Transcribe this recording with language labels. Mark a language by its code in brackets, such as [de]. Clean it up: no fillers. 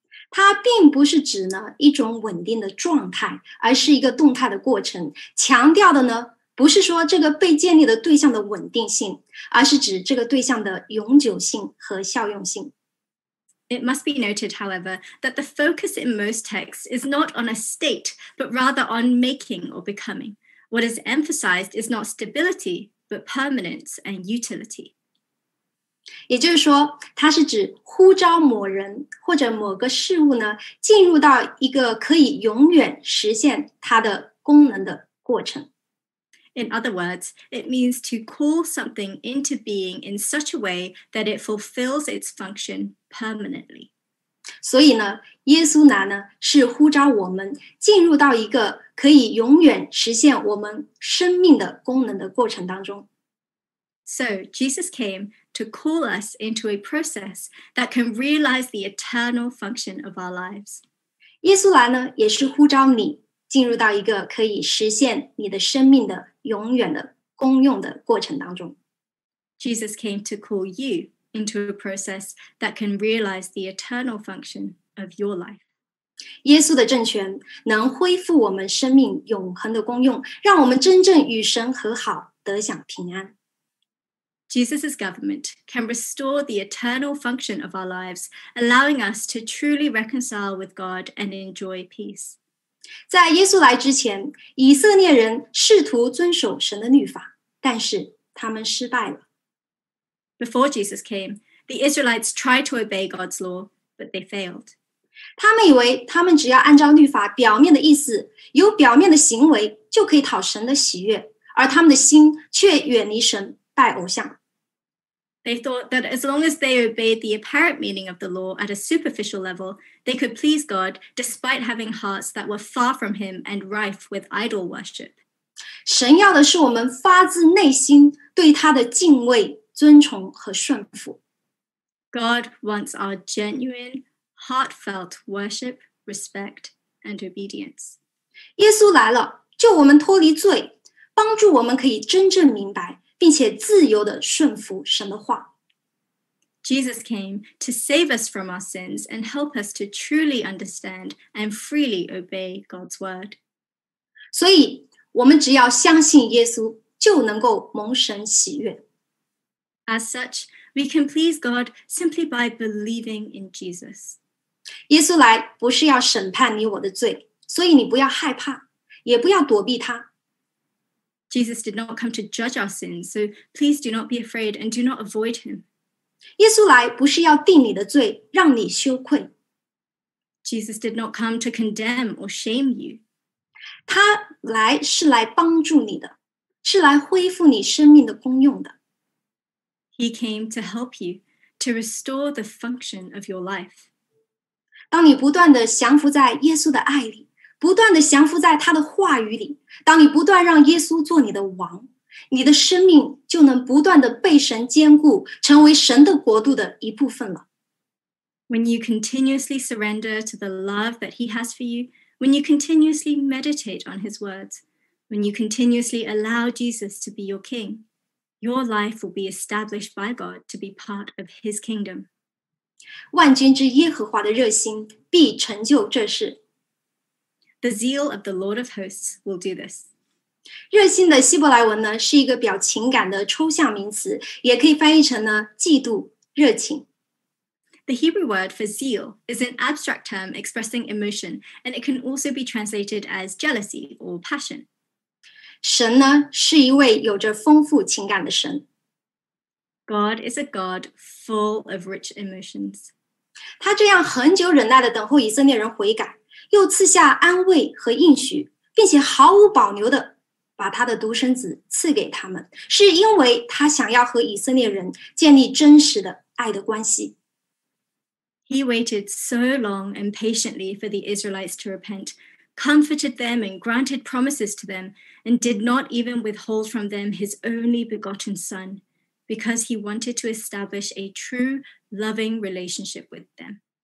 [zh] 它并不是指呢一种稳定的状态，而是一个动态的过程。强调的呢，不是说这个被建立的对象的稳定性，而是指这个对象的永久性和效用性。 [en] It must be noted, however, that the focus in most texts is not on a state, but rather on making or becoming. What is emphasized is not stability, but permanence and utility. [zh] 也就是说，它是指呼召某人或者某个事物呢，进入到一个可以永远实现它的功能的过程。 [en] In other words, it means to call something into being in such a way that it fulfills its function permanently. [zh] 所以呢，耶稣来呢，是呼召我们进入到一个可以永远实现我们生命的功能的过程当中。 [en] So, Jesus came to call us into a process that can realize the eternal function of our lives. [zh] 耶稣来呢，也是呼召你进入到一个可以实现你的生命的永远的功用的过程当中。 [en] Jesus came to call you into a process that can realize the eternal function of your life. [zh] 耶稣的政权能恢复我们生命永恒的功用，让我们真正与神和好，得享平安。 [en] Jesus' government can restore the eternal function of our lives, allowing us to truly reconcile with God and enjoy peace. [zh] 在耶稣来之前，以色列人试图遵守神的律法，但是他们失败了。 [en] Before Jesus came, the Israelites tried to obey God's law, but they failed. [zh] 他们以为他们只要按照律法表面的意思，有表面的行为就可以讨神的喜悦，而他们的心却远离神。 [en] They thought that as long as they obeyed the apparent meaning of the law at a superficial level, they could please God despite having hearts that were far from him and rife with idol worship. [zh] 神要的是我们发自内心对他的敬畏、尊崇和顺服。 [en] God wants our genuine, heartfelt worship, respect, and obedience. [zh] 耶稣来了，救我们脱离罪，帮助我们可以真正明白。并且自由地顺服神的话。 [en] Jesus came to save us from our sins and help us to truly understand and freely obey God's word. [zh] 所以，我们只要相信耶稣，就能够蒙神喜悦。 [en] As such, we can please God simply by believing in Jesus. [zh] 耶稣来不是要审判你我的罪，所以你不要害怕，也不要躲避他。 [en] Jesus did not come to judge our sins, so please do not be afraid and do not avoid him. [zh] 耶稣来不是要定你的罪，让你羞愧。 [en] Jesus did not come to condemn or shame you. [zh] 他来是来帮助你的，是来恢复你生命的功用的。 [en] He came to help you, to restore the function of your life. [zh] 当你不断地降服在耶稣的爱里，不断地降服在他的话语里，当你不断让耶稣做你的王，你的生命就能不断地被神坚固，成为神的国度的一部分了。 [en] When you continuously surrender to the love that he has for you, when you continuously meditate on his words, when you continuously allow Jesus to be your king, your life will be established by God to be part of his kingdom. [zh] 万军之耶和华的热心必成就这事。 [en] The zeal of the Lord of hosts will do this. [zh] 热心的希伯来文呢，是一个表情感的抽象名词，也可以翻译成呢，嫉妒、热情。 [en] The Hebrew word for zeal is an abstract term expressing emotion, and it can also be translated as jealousy or passion. [zh] 神呢，是一位有着丰富情感的神。 [en] God is a God full of rich emotions. [zh] 他这样很久忍耐地等候以色列人悔改，又赐下安慰和应许，并且毫无保留地把他的独生子赐给他们，是因为他想要和以色列人建立真实的爱的关系。 [en] He waited so long and patiently for the Israelites to repent, comforted them and granted promises to them, and did not even withhold from them his only begotten son, because he wanted to establish a true, loving relationship with them.